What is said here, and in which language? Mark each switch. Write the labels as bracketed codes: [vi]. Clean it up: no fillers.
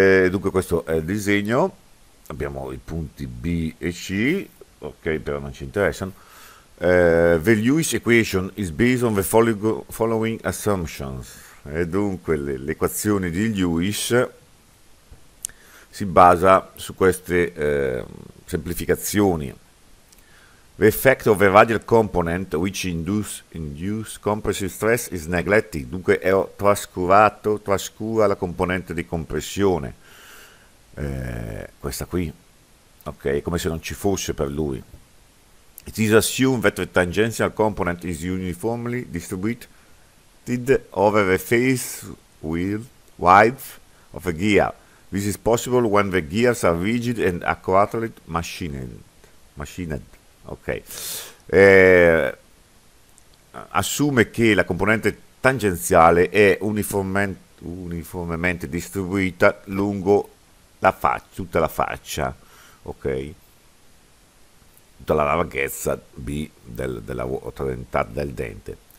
[it] Dunque questo è il disegno. Abbiamo i punti B e C, ok, però non ci interessano. [en] The Lewis equation is based on the following assumptions. [it] E dunque l'equazione di Lewis si basa su queste semplificazioni. [en] The effect of the radial component which induce compressive stress is neglected. [it] Dunque è trascurato, trascura la componente di compressione. Questa qui. Ok, è come se non ci fosse per lui. [en] It is assumed that the tangential component is uniformly distributed over the face width of a gear. This is possible when the gears are rigid and accurately machined. [it] Ok, assume che la componente tangenziale è uniformemente distribuita lungo tutta la faccia, ok? Tutta la larghezza B della ruota dentata del dente.